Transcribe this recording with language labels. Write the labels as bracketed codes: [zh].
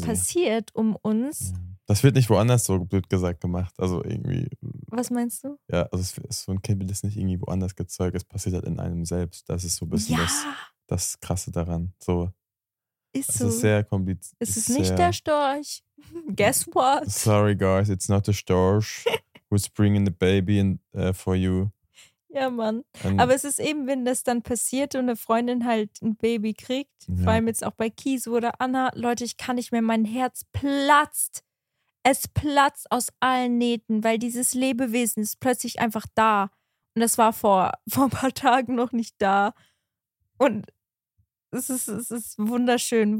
[de] mal passiert um uns. Ja. Das wird nicht woanders so blöd gesagt gemacht. Also irgendwie. Was meinst du? Ja, also es ist so ein Kind wird das nicht irgendwie woanders gezeugt. Es passiert halt in einem selbst. Das ist so ein bisschen das Krasse daran. So. Ist so. Es ist sehr kompliziert. Es ist nicht der Storch. [en] Guess what? Sorry guys, it's not the Storch. Who's bringing the baby in, for you? [de] Ja, Mann. And aber es ist eben, wenn das dann passiert und eine Freundin halt ein Baby kriegt, vor allem jetzt auch bei Kisu oder Anna, Leute, ich kann nicht mehr, mein Herz platzt. Es platzt aus allen Nähten, weil dieses Lebewesen ist plötzlich einfach da. Und das war vor ein paar Tagen noch nicht da. Und es ist wunderschön.